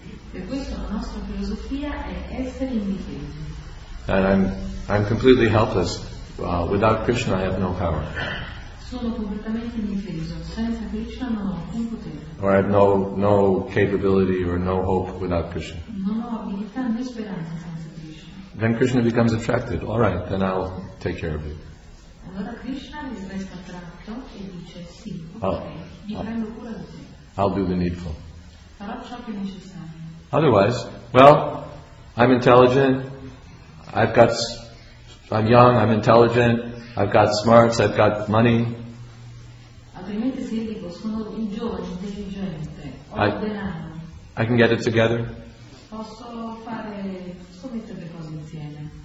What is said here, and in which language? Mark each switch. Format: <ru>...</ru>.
<it>Per questo la nostra filosofia è essere indifesi.</it> <en>And I'm completely helpless. Without Krishna, I have no power.</en> <it>Sono completamente indifeso. Senza Krishna non ho alcun potere.</it> <en>Or I have no capability or no hope without Krishna.</en> <it>Non ho abilità né speranza senza Krishna.</it> <en>Then Krishna becomes attracted. All right, then I'll take care of you.</en> <it>Allora Krishna resta attratto e dice sì, ok, mi prendo cura di te.</it> <en>I'll do the needful.</en> <it>Farò ciò che è necessario.</it> <en>Otherwise, well, I'm intelligent. I'm young, I'm intelligent, I've got smarts, I've got money.</en> <it>Altrimenti si dico, sono un giovane intelligente, ho denaro.</it> <en>I can get it together.</en> <it>Posso fare, posso mettere le cose insieme.</it>